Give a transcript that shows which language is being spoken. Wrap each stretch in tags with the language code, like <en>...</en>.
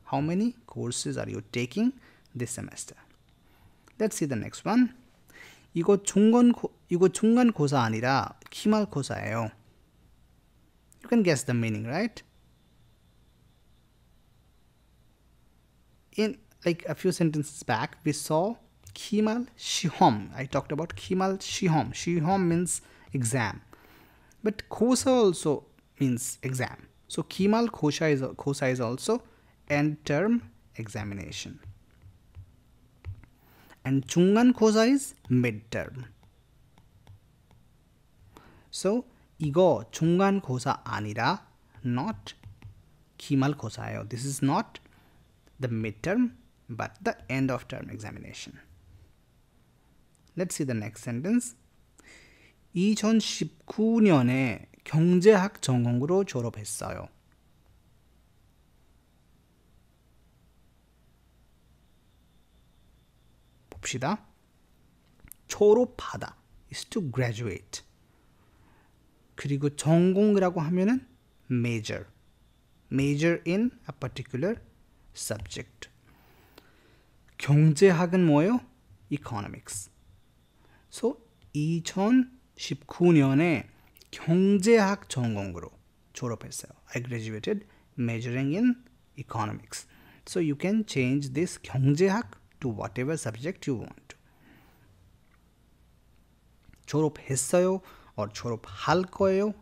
<en>How many courses are you taking this semester? Let's see the next one.</en> <ko>이거 중간고사 아니라 기말고사예요.</ko> <en>You can guess the meaning, right? In like a few sentences back, we saw 기말 시험. I talked about 기말 시험. 시험 means exam. But 고사 also means exam. So 기말 고사 is also end term examination. And 중간 고사 is midterm.</en> <ko>So 이거 중간 고사 아니라 not 기말 고사예요.</ko> <en>This is not the midterm, but the end of term examination. Let's see the next sentence.</en> <ko>2019년에 경제학 전공으로 졸업했어요. 봅시다.</ko> <en>졸업하다 is to graduate.</en> <ko>그리고 전공이라고 하면은</ko> <en>major. Major in a particular subject.</en> <ko>경제학은 뭐예요? Economics. So 2019년에 경제학 전공으로 졸업했어요.</ko> <en>I graduated majoring in economics. So you can change this 경제학 to whatever subject you want.</en> <ko>졸업했어요 or 졸업할 거예요.</ko>